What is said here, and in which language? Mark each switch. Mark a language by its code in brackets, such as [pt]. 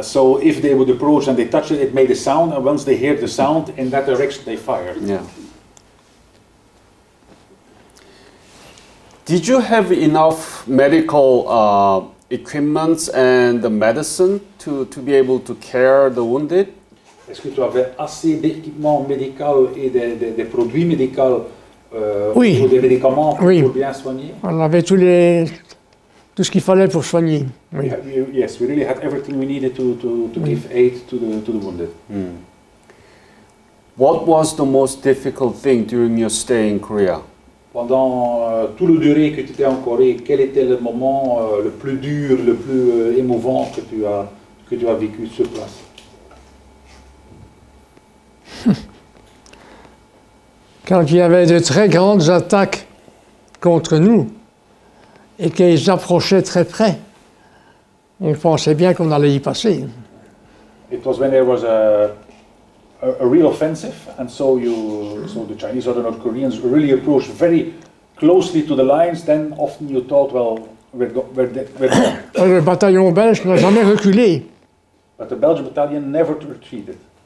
[en] So if they would approach and they touched it, it made a sound, and once they heard the sound in that direction, they fired. Yeah. Did you have enough medical equipment and the medicine to be able to care the wounded? [fr] Est-ce que tu avais assez d'équipement médical et des produits médicaux oui. Ou des médicaments oui. Pour bien soigner? On avait tout ce qu'il fallait pour soigner. Oui. [en] Yes, we really had everything we needed to give aid to the wounded. Mm. What was the most difficult thing during your stay in Korea? [fr] Pendant tout le durée que tu étais en Corée, quel était le moment le plus dur, le plus émouvant que tu as vécu sur place? Quand il y avait de très grandes attaques contre nous et qu'ils approchaient très près, on pensait bien qu'on allait y passer. [en] It was when there was a real offensive, and so the Chinese or the North Koreans really approached very closely to the lines. Then often you thought, well, [fr] le bataillon belge n'a jamais reculé. [en] But the Belgian battalion never retreated.